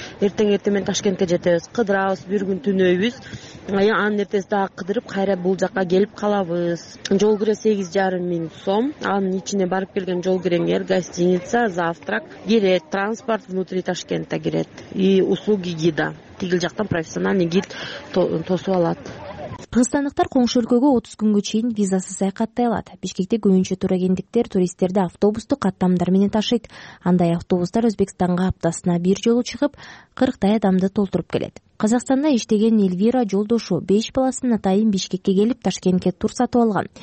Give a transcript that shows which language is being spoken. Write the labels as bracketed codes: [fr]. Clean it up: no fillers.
[ky] Эртең эртең менен Ташкентке жетебиз. Кыдырабыз, бир күн түнөйбүз. Анын эртеси дагы кыдырып, кайра бул жакка келип калабыз. Жол кире 8,500 сом. Анын ичине барып келген жол киреңер, гостиница, завтрак кирет, транспорт [ru] внутри Ташкента [ky] кирет. [ru] И услуги гида. [ky] Тигил жактан профессиональный гид тосуп алат. Кыргызстандыктар коңшу өлкөгө 30 күнгө чейин визасыз саякаттай алат. Бишкекте көбүнчө турагенттиктер туристтерди автобустук каттамдар менен ташыйт. Андай автобустар Өзбекстанга аптасына бир жолу чыгып, 40 адамды толтуруп келет. Казакстанда иштеген Эльвира жолдошу 5 баласынын атайын Бишкекке келип, Ташкентке тур сатып алган.